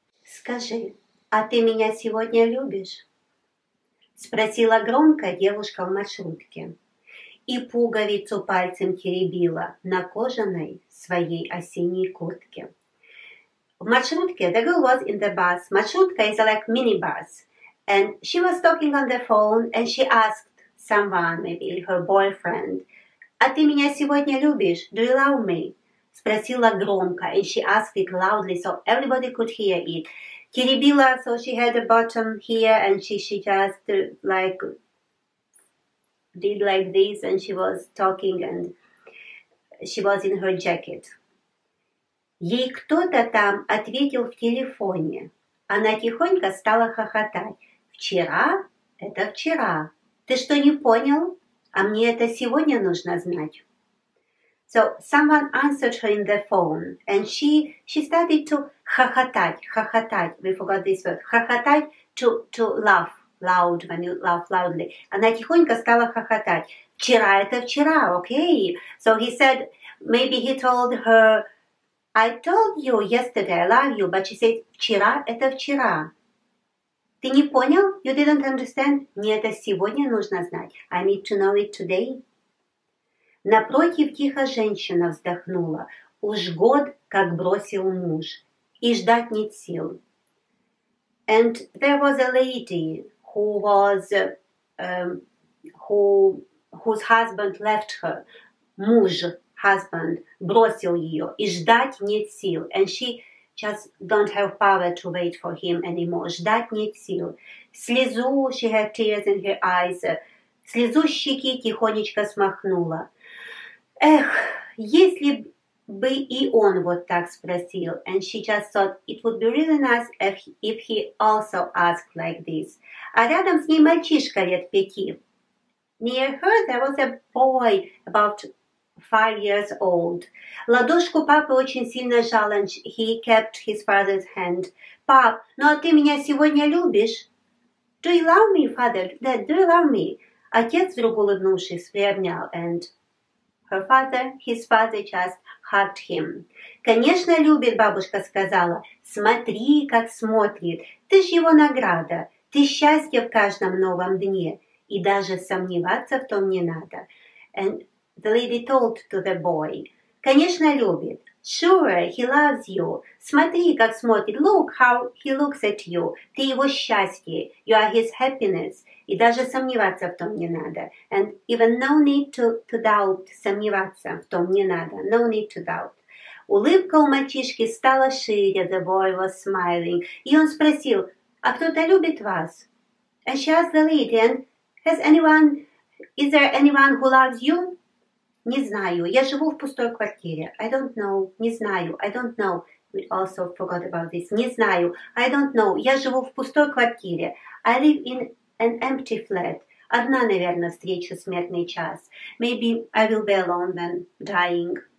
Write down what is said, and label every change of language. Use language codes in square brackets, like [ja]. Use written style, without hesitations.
[ru] Скажи, а ты меня сегодня любишь? Спросила громко девушка в маршрутке. И пуговицу пальцем теребила на кожаной своей осенней куртке. В маршрутке, [en] the girl was in the bus. Маршрутка is like minibus. And she was talking on the phone and she asked, someone, maybe her boyfriend. [ru] А ты меня сегодня любишь? [en] Do you love me? [ru] Спросила громко, [en] and she asked it loudly, so everybody could hear it. Теребила, so she had a button here, and she just like did like this, and she was talking, and she was in her jacket. [ru] Ей кто-то там ответил в телефоне. Она тихонько стала хохотать. Вчера? Это вчера. Ты что не понял? А мне это сегодня нужно знать. [en] So someone answered her in the phone, and she started to [ru] хохотать, хохотать. [en] We forgot this word. Хохотать to laugh loud when you laugh loudly. [ru] Она тихонько стала хохотать. Вчера это вчера, okay? [en] So he said, maybe he told her, I told you yesterday I love you, but she said, [ru] вчера это вчера. Ты не понял? [en] You didn't understand? [ru] Мне это сегодня нужно знать. [en] I need to know it today. [ru] Напротив, тихо женщина вздохнула. Уж год, как бросил муж. и ждать нет сил. [en] And there was a lady who was whose husband left her. [ru] Муж, husband, бросил ее и ждать нет сил. [en] And she just don't have power to wait for him anymore. [ru] Ждать нет сил. Слезу, [en] she had tears in her eyes. [ru] Слезу щеки тихонечко смахнула. Эх, если бы и он вот так спросил. [en] And she just thought it would be really nice if he also asked like this. [ru] А рядом с ней мальчишка лет 5. [en] Near her there was a boy about 5 years old. [ru] Ладошку папы очень сильно жал, [en] and he kept his father's hand. [ru] Пап, ну а ты меня сегодня любишь? [en] Do you love me, father? Dad, do you love me? [ru] Отец вдруг улыбнувшись приобнял, [en] and her father, his father just hugged him. [ru] Конечно, любит, бабушка сказала. Смотри, как смотрит. Ты ж его награда. Ты счастье в каждом новом дне. И даже сомневаться в том не надо. [en] And the lady told to the boy. [ru] Конечно, любит. [en] Sure, he loves you. [ru] Смотри, как смотрит. [en] Look how he looks at you. [ru] Ты его счастье. [en] You are his happiness. [ru] И даже сомневаться в том не надо. [en] And even no need to doubt. [ru] Сомневаться в том не надо. [en] No need to doubt. [ru] Улыбка у мальчишки стала шире. [en] The boy was smiling. [ru] И он спросил, а кто-то любит вас? [en] And she asked the lady, and is there anyone who loves you? [ru] Не знаю. Я живу в пустой квартире. [en] I don't know. [ru] Не знаю. [en] I don't know. We also forgot about this. Не знаю. I don't know. [ru] Я живу в пустой квартире. [en] I live in an empty flat. [ru] Одна, наверное, встречу смертный час. [en] Maybe I will be alone when dying.